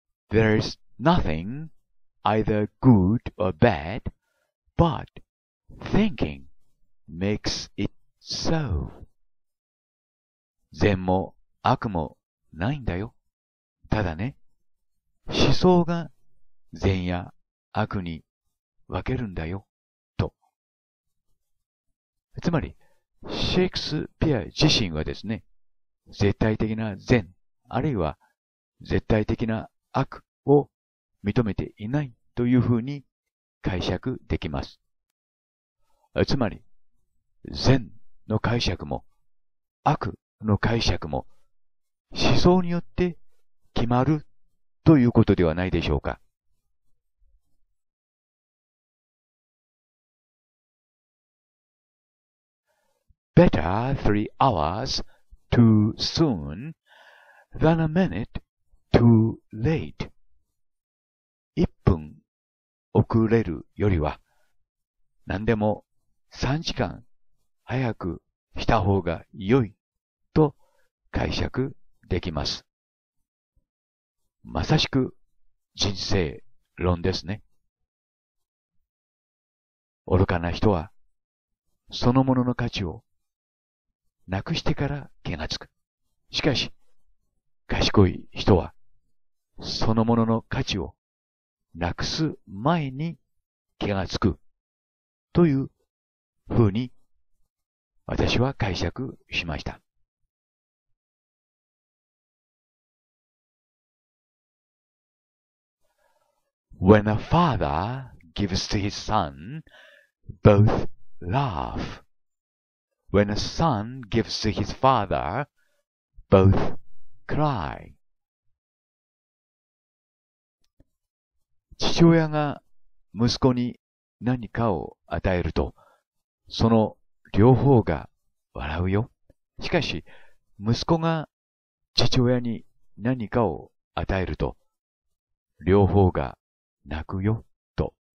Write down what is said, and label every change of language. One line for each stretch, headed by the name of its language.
English: There is nothing either good or bad, but thinking makes it so.
Japanese: 善も悪もないんだよ。ただね、思想が善や悪に分けるんだよ、と。つまり、シェイクスピア自身はですね、絶対的な善、あるいは絶対的な悪を認めていないというふうに解釈できます。つまり、善の解釈も悪の解釈も思想によって決まるということではないでしょうか。
English: Better 3 hours too soon than a minute too late.
Japanese: 一分遅れるよりは、何でも三時間早くした方が良いと解釈できます。まさしく人生論ですね。愚かな人は、そのものの価値をなくしてから気がつく。しかし、賢い人は、そのものの価値をなくす前に気がつく。というふうに、私は解釈しました。
English: When a father gives to his son, both laugh. When a son gives to his father, both cry.
Japanese: 父親が息子に何かを与えると、その両方が笑うよ。しかし、息子が父親に何かを与えると、両方が泣くよ、と。